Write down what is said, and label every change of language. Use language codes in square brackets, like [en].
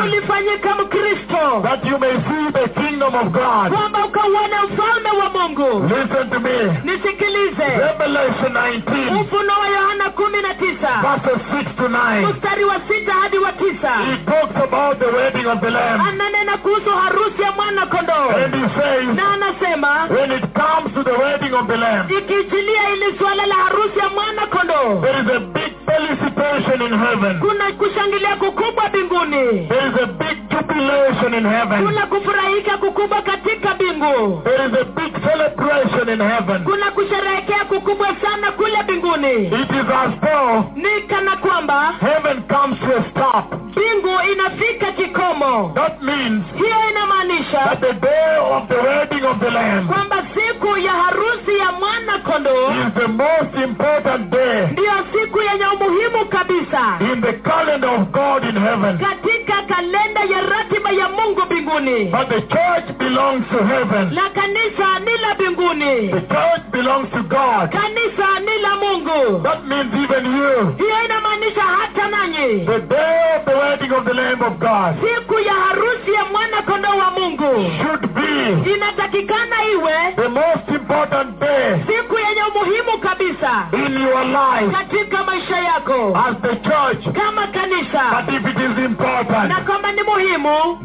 [sw] Ulifanyika Mkristo. [en] That you may see the kingdom of God. [sw] Kwamba ukaone ufalme wa Mungu. [en] Listen to me. [sw] Nisikilize. [en] Revelation 19. [sw] Ufunuo wa Yohana 19. [en] Verses 6 to 9. [sw] Mstari wa 6 hadi wa 9. [en] He talks about the wedding of the Lamb. [sw] Ananena kuhusu harusi ya mwana kondoo. [en] And he says. [sw] Na anasema. [en] When it comes to the wedding of the Lamb. [sw] Ikijilia ili swala la harusi ya mwana kondoo. [en] There is a big felicitation in heaven. [sw] Kuna kushangilia kukubwa binguni. [en] There is a big jubilation in heaven. [sw] Kuna kufurahika kukubwa katika bingu. [en] There is a big celebration in heaven. [sw] Kuna kusherehekea kukubwa sana kule binguni. [en] It is as though. [sw] Ni kana kwamba. [en] Heaven comes to a stop. [sw] Bingu inafika kikomo. [en] That means. [sw] Hiyo inamaanisha. [en] That the day of the wedding of the Lamb. [sw] Kwamba siku ya harusi ya mwana kondoo. [en] Is the most important day. [sw] Ndiyo siku yenye umuhimu kabisa. [en] In the calendar of God in heaven. [sw] Katika kalenda ya ratiba ya Mungu binguni. [en] But the church belongs to heaven. [sw] La kanisa ni la binguni. [en] The church belongs to God. [sw] Kanisa ni la Mungu. [en] That means even you. [sw] Hiyo inamaanisha hata nanyi. [en] The day of the wedding of the Lamb of God. [sw] Siku ya harusi ya mwana kondoo wa Mungu. [en] Should be. [sw] Inatakikana iwe. [en] The most important day. [sw] Siku yenye umuhimu kabisa. kabisa. [en] In your life. [sw] Katika maisha yako. [en] As the church. [sw] Kama kanisa. [en] But if it is important. [sw] Na kama ni muhimu.